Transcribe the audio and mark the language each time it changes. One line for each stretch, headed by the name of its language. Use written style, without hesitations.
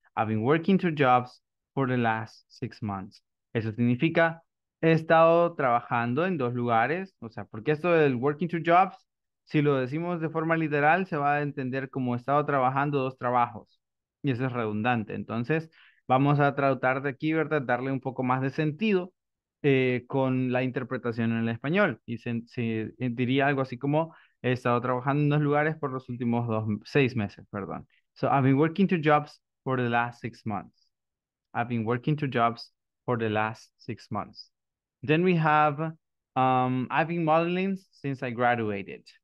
English: I've been working two jobs for the last 6 months.
Spanish: Eso significa, he estado trabajando en dos lugares, o sea, porque esto del
English: working two jobs,
Spanish: si lo decimos de forma literal, se va a entender como he estado trabajando dos trabajos, y eso es redundante. Entonces, vamos a tratar de aquí, ¿verdad?, darle un poco más de sentido con la interpretación en el español. Y se diría algo así como, he estado trabajando en dos lugares por los últimos seis meses.
English: So, I've been working two jobs for the last 6 months. I've been working two jobs for the last 6 months. Then we have, I've been modeling since I graduated.